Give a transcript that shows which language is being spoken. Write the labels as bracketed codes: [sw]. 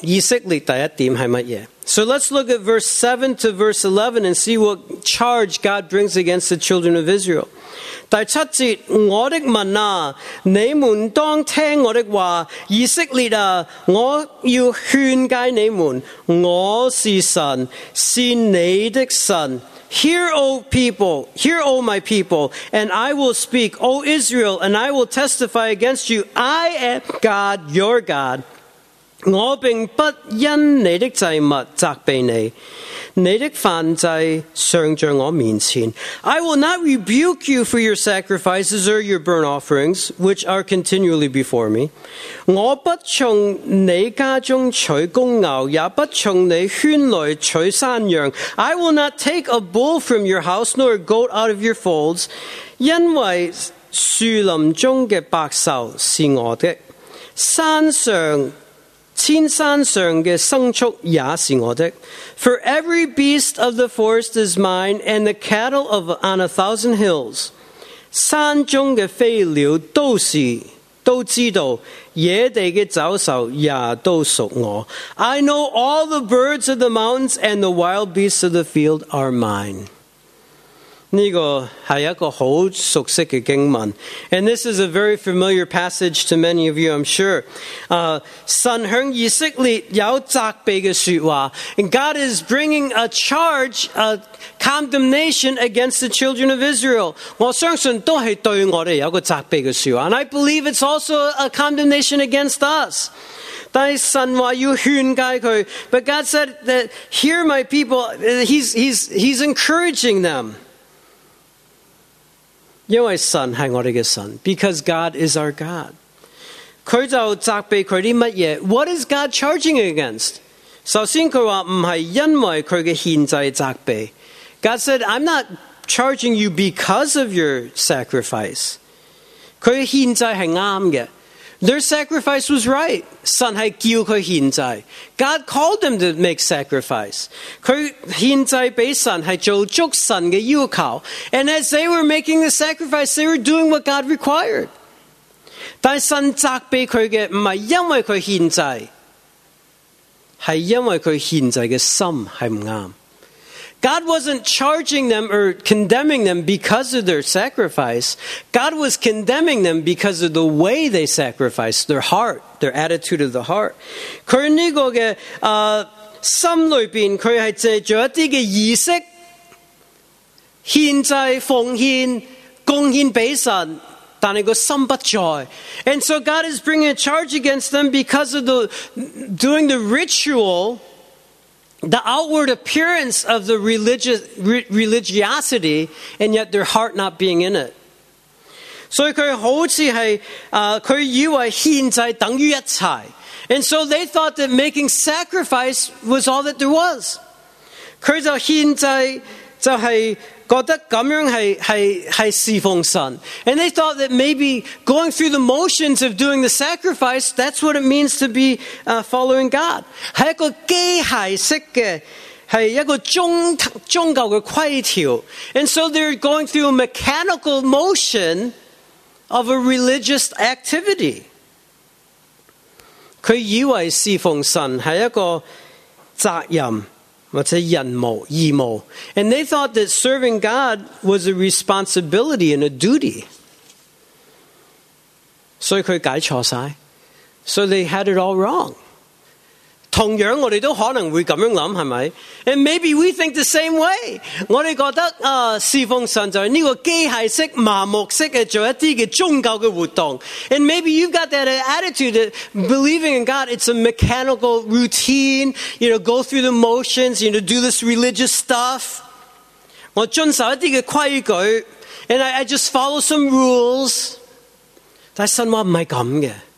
[en] let's look at verse 7 to verse 11 and see what charge God brings against the children of Israel. [zh] 第七节，我的民啊，你们当听我的话，以色列啊，我要劝诫你们，我是神，是你的神。 [en] Hear, O people, hear, O my people, and I will speak, O Israel, and I will testify against you. I am God, your God. [zh] 我并不因你的罪恶责备你。你的犯罪上在我面前。 [en] I will not rebuke you for your sacrifices or your burnt offerings, which are continually before me. [zh] 我不从你家中取公牛，也不从你圈内取山羊。 [en] I will not take a bull from your house nor a goat out of your folds, [zh] 因为树林中的百兽是我的，山上千山上的牲畜也是我的。 [en] For every beast of the forest is mine, and the cattle of on a thousand hills. [zh] 山中的飞鸟都知道，野地的走兽也都属我。 [en] I know all the birds of the mountains, and the wild beasts of the field are mine. [zh] 这个是一个很熟悉的经文。 [en] And this is a very familiar passage to many of you, I'm sure. [zh] 神向以色列有责备的说话。 [en] And God is bringing a charge, a condemnation against the children of Israel. [zh] 我相信都是对我们有个责备的说话。 [en] And I believe it's also a condemnation against us. [zh] 但神说要劝戒他。 [en] But God said that, hear my people, he's encouraging them. [zh] 因为神是我们的神， [en] because God is our God. [zh] 他就责备他的什么？ [en] What is God charging against? [zh] 首先他说不是因为他的献祭责备。 [en] God said, I'm not charging you because of your sacrifice. [zh] 他的献祭是对的。 [en] Their sacrifice was right. [zh] 神是叫他献祭。 [en] God called them to make sacrifice. [zh] 他献祭给神是做足神的要求。 [en] And as they were making the sacrifice, they were doing what God required. [zh] 但神责备他的不是因为他献祭，是因为他献祭的心是不对。 [en] God wasn't charging them or condemning them because of their sacrifice. God was condemning them because of the way they sacrificed, their heart, their attitude of the heart. [zh] 他这个的心里面，他是借着一些仪式，献祭、奉献、贡献给神，但个心不在。 [en] And so God is bringing a charge against them because of the doing the ritual, the outward appearance of the religiosity, and yet their heart not being in it. [zh] 所以他好像是他以为献祭等于一切。 [en] And so they thought that making sacrifice was all that there was. [zh] 他就献祭就是觉得这样 是侍奉神。 [en] And they thought that maybe going through the motions of doing the sacrifice, that's what it means to be following God. [zh] 是一个机械式的，是一个宗教的规条。 [en] And so they're going through a mechanical motion of a religious activity. [zh] 他以为侍奉神是一个责任或者人务义务。 [en] And they thought that serving God was a responsibility and a duty. [zh] 所以他解错了。 [en] So they had it all wrong. [zh] 同样我们都可能会这样想，是不是？ [en] And maybe we think the same way. [zh] 我们觉得侍奉神就是这个机械式麻木式的做一些宗教的活动。 [en] And maybe you've got that attitude that believing in God, it's a mechanical routine, you know, go through the motions, you know, do this religious stuff. [zh] 我遵守一些规矩， [en] and I just follow some rules. [zh] 但神说不是这样的。